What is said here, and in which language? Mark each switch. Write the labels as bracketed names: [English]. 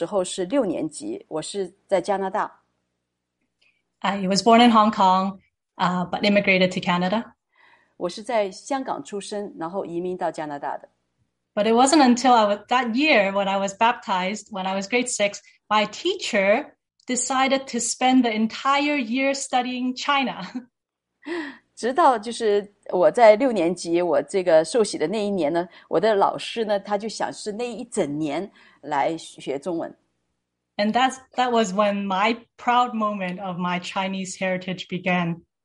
[Chinese] 就是我当我这个受洗的时候呢，我那个时候是六年级，我是在加拿大。 [English] I was born in Hong Kong, but immigrated to Canada. [Chinese] 我是在香港出生，然后移民到加拿大的。 [English] But it wasn't until that year when I was baptized, when I was grade six, my teacher decided to spend the entire year studying China. [Chinese] 直到就是我在六年级，我这个受洗的那一年呢，我的老师呢，他就想是那一整年来学中文。 [English] And that was when my proud moment of my Chinese heritage began.